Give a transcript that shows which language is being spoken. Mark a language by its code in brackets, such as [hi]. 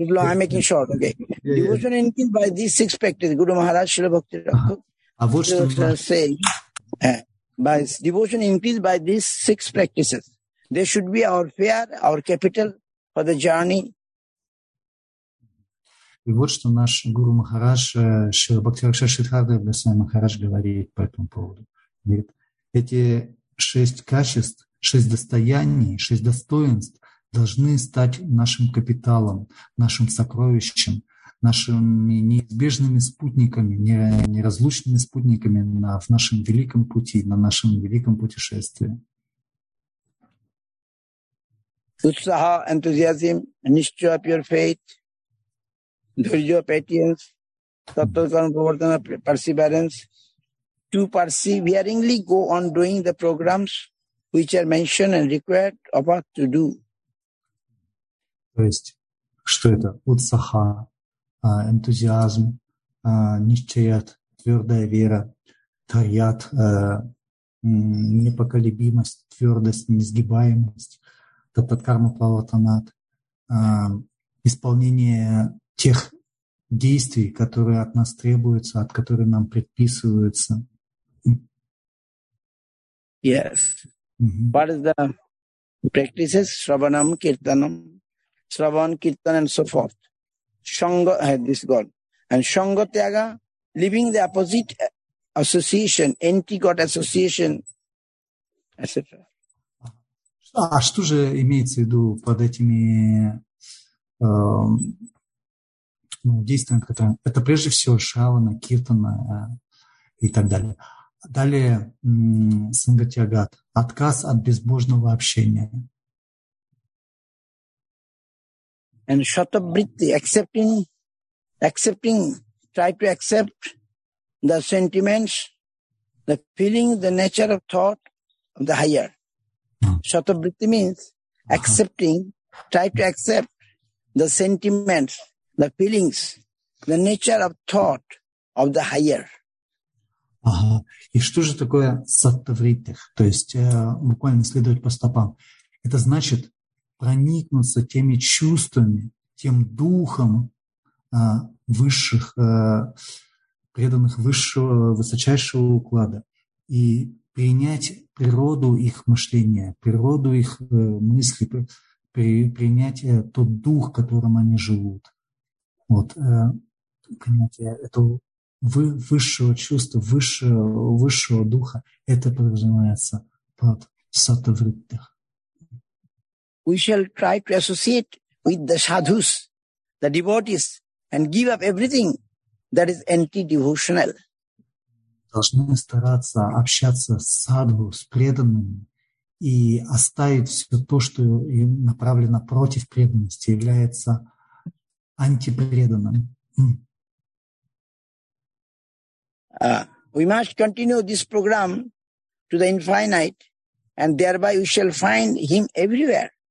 [en] I'm making short. Okay. Devotion increased by these six practices. Guru Maharaj Srila Bhakti Rakhu say by devotion increased by these six practices. They should be our fare, our capital for the journey. [ru] И вот что наш гуру Махарадж, Шрила Бхактивинода Сиддхартха Госвами Махарадж говорит по этому поводу. Говорит, эти шесть качеств, шесть достояний, шесть достоинств должны стать нашим капиталом, нашим сокровищем, нашими неизбежными спутниками, неразлучными спутниками в нашем великом пути, на нашем великом путешествии. [en] Usaha, enthusiasm, nishchay of your faith, dhairya, patience, tattvakarma pravartana, perseverance, to perseveringly go on doing the programs which are mentioned and required of us to do. [ru] То есть, что это? Usaha, энтузиазм, нищаят, твердая вера, тарьят, непоколебимость, твердость, несгибаемость, таттаткарма плаватанат, исполнение тех действий, которые от нас требуются, от которых нам предписываются. [en] Yes. Mm-hmm. What is the practices? Shravanam, kirtanam, shravan, kirtan, and so forth. Shanga, this God. And Shanga Tyaga, living the opposite association, anti-God association, etc. [ru] А что же имеется в виду под этими действиями, которые... Это прежде всего шравана, киртана и так далее. Далее сангатьягат. Отказ от безбожного общения. [en] And шатабритти, accepting, try to accept the sentiments, the feeling, the nature of thought of the higher. Shatabritti means accepting, try to accept the sentiments, the feelings, the nature of thought of the higher. [ru] Ага. И что же такое саттавритти? То есть буквально следовать по стопам. Это значит проникнуться теми чувствами, тем духом высших, преданных высшего, высочайшего уклада. И принять природу их мышления, природу их мысли, принять тот дух, которым они живут. Вот, понимаете, это высшего чувства, высшего духа, это подразумевается под саттавритти. [en] We shall try to associate with the sadhus, the devotees, and give up everything that is anti-devotional. [ru] Должны стараться общаться с садху, с преданными и оставить все то, что им направлено против преданности, является антипреданным. [en] We must continue this program to the infinite, and thereby we shall find him everywhere.